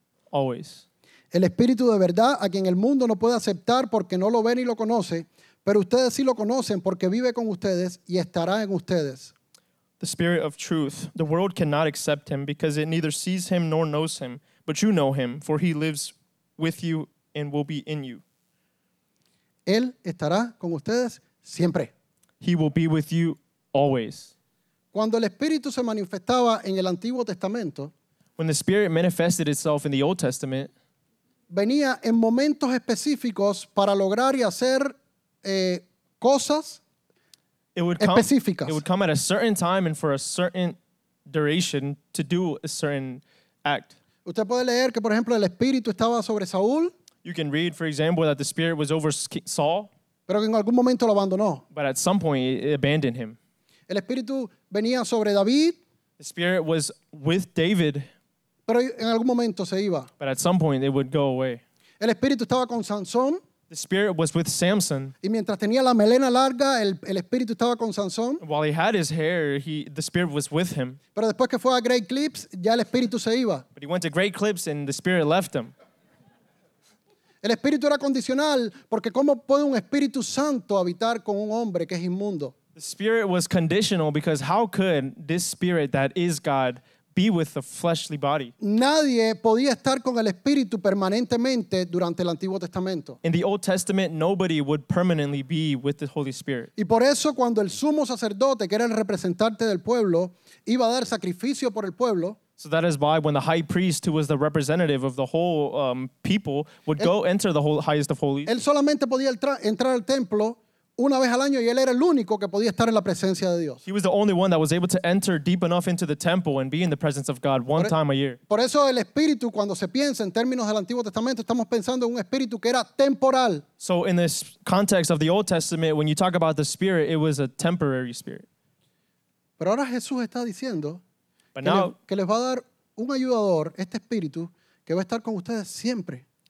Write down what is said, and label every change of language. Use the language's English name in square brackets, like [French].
[English] Always. [Spanish] El Espíritu de verdad a quien el mundo no puede aceptar porque no lo ve ni lo conoce. Pero ustedes sí lo conocen porque vive con ustedes y estará en ustedes. [English] The Spirit of Truth. The world cannot accept him because it neither sees him nor knows him. But you know him, for he lives with you and will be in you. [Spanish] Él estará con ustedes siempre. [English] He will be with you always. [Spanish] Cuando el Espíritu se manifestaba en el Antiguo Testamento, [English] when the Spirit manifested itself in the Old Testament, [Spanish] venía en momentos específicos para lograr y hacer cosas específicas. [English] It would come at a certain time and for a certain duration to do a certain act. [Spanish] Usted puede leer que, por ejemplo, el Espíritu estaba sobre Saúl. [English] You can read, for example, that the Spirit was over Saul. [Spanish] Pero en algún momento lo abandonó. [English] But at some point, it abandoned him. [Spanish] El Espíritu venía sobre David. [English] The Spirit was with David. [Spanish] Pero en algún momento se iba. [English] But at some point, it would go away. [Spanish] El Espíritu estaba con Sansón. [English] The Spirit was with Samson. [Spanish] Y mientras tenía la melena larga, el Espíritu estaba con Sansón. [English] While he had his hair, the Spirit was with him. [Spanish] Pero después que fue a Great Clips, ya el Espíritu se iba. [English] But he went to Great Clips and the Spirit left him. [Spanish] El Espíritu era condicional, porque ¿cómo puede un Espíritu Santo habitar con un hombre que es inmundo? [English] The Spirit was conditional because how could this Spirit that is God be with the fleshly body? [Spanish] Nadie podía estar con el Espíritu permanentemente durante el Antiguo Testamento. [English] In the Old Testament, nobody would permanently be with the Holy Spirit. [Spanish] Y por eso cuando el sumo sacerdote, que era el representante del pueblo, iba a dar sacrificio por el pueblo. [English] So that is why when the high priest, who was the representative of the whole people, would go enter the highest of holies. [Spanish] Él solamente podía entrar al templo una vez al año y él era el único que podía estar en la presencia de Dios. [English] He was the only one that was able to enter deep enough into the temple and be in the presence of God one time a year. [Spanish] Por eso el Espíritu, cuando se piensa en términos del Antiguo Testamento, estamos pensando en un Espíritu que era temporal. [English] So in this context of the Old Testament, when you talk about the Spirit, it was a temporary Spirit. [Spanish] Pero ahora Jesús está diciendo [English] But now, [Spanish] que les va a dar un ayudador, este espíritu, que va a estar con ustedes siempre.